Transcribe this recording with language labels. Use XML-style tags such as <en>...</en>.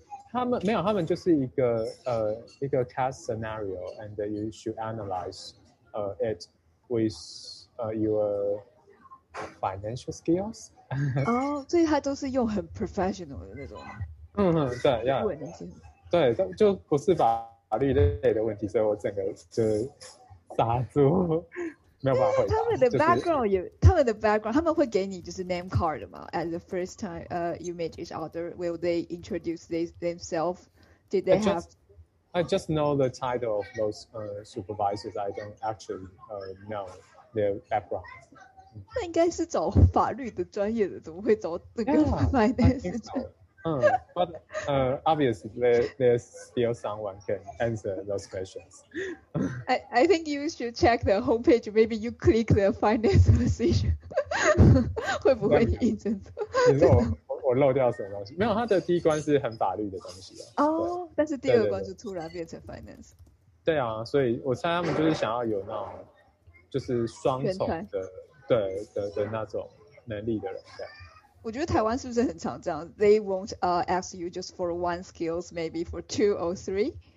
<zh>他们没有，他们就是一个</zh> <en>case scenario， and you should analyze it with your financial skills。</en> <zh>哦，所以他都是用很 professional 的那种。对，要、对，就不是法律类的问题，所以我整个就傻住。他们的 background 也、他们的 background， 他们会给你就是 name card 吗？</zh> <en>At the first time, you meet each other, will they introduce themselves? Did they I just know the title of those supervisors. I don't actually know their background.</en> <zh>那应该是找法律的专业的，怎么会找那个</zh> <en>finance？ But obviously there's still someone can answer those questions. I think you should check the homepage. Maybe you click the finance position.</en> <zh>会不会印证？你说我漏掉什么东西？没有，他的第一关是很法律的东西啊。但是第二关就突然变成 finance。对啊，所以我猜他们就是想要有那种就是双重的的那种能力的人这样。我觉得台湾是不是很常这样</zh> <en>？They won't ask you just for one skills, maybe for two or three.</en>